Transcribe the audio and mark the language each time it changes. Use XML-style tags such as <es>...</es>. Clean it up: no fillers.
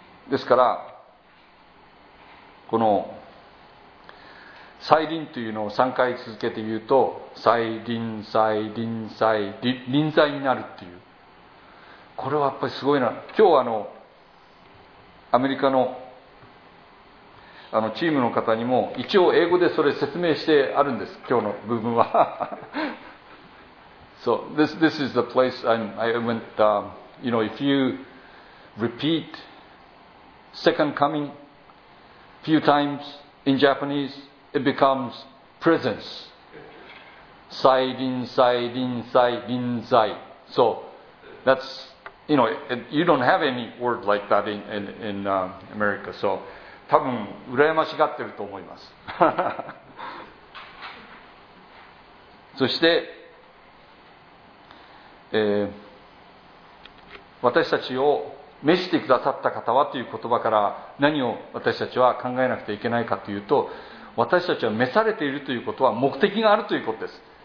<ja>ですからこの再臨というのを3回続けて言うと、再臨再臨再臨臨在になるっていう、これはやっぱりすごいな。今日アメリカ のチームの方にも一応英語でそれ説明してあるんです、今日の部分は。</ja> <en>So this is the place I went, you know, if you repeat second coming few times in Japanese, it becomes presence. Sai rin, sai rin, sai rin, sai. So that's, you know, you don't have any word like that in America.</en> <ja>So 多分羨ましがってると思います。そして、私たちを召してくださった方はという言葉から何を私たちは考えなくてはいけないかというと、私たちは召されているということは目的があるということです。</ja>